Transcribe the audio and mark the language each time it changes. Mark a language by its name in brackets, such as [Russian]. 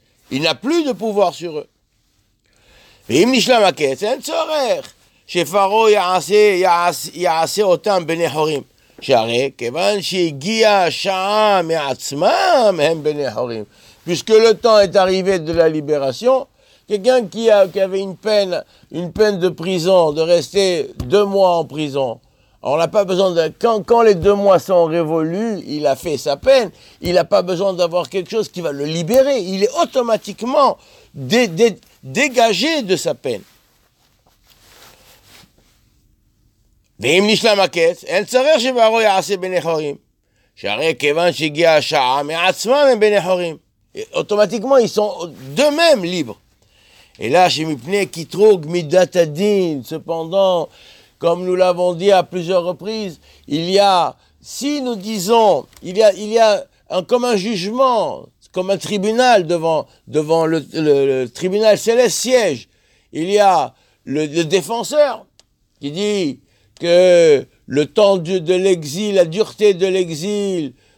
[French] Il n'a plus de pouvoir sur eux. Puisque le temps est arrivé de la libération, quelqu'un qui avait une peine de prison, de rester 2 mois en prison, on n'a pas besoin de... Quand les 2 mois sont révolus, il a fait sa peine, il n'a pas besoin d'avoir quelque chose qui va le libérer. Il est automatiquement dégagé de sa peine. [Hebrew] ואם נשלם מקץ, אין צריך שברו יעשה בני חורים. שהרי כיוון שהגיע השעה מעצמם הם בני חורים. [French] אוטומטיקמון, ils sont d'eux-mêmes libres. [Hebrew] אלא שמפני קטרוג מידת הדין, [French] cependant, comme nous l'avons dit à plusieurs reprises, il y a, si nous disons, il y a un commun jugement, comme un tribunal devant le tribunal céleste siège, il y a le défenseur qui dit que le temps de l'exil, la dureté de l'exil